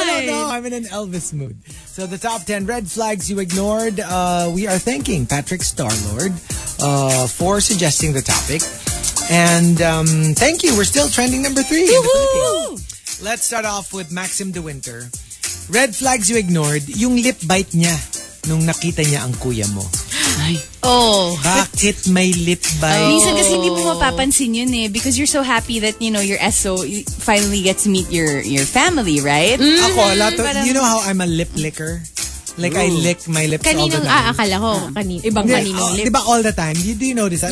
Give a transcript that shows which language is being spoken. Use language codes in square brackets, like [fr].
[en] I don't know. I'm in an Elvis mood. So the top 10 red flags you ignored. We are thanking Patrick Starlord for suggesting the topic. And thank you. We're still trending number 3. Let's start off with Maxim De Winter. Red flags you ignored. [tl] Yung lip bite niya nung nakita niya ang kuya mo. Bakit may lip bite? Minsan kasi hindi mo mapapansin yun eh. [en] Because you're so happy that, you know, your SO finally gets to meet your family, right? Mm-hmm. Ako, lato, you know how I'm a lip licker? Like, ooh. I lick my lips [tl] kaninong, [en] all the time. [tl] Akala ko, ibang kaninong lip. [en] Diba all the time? Do you notice that?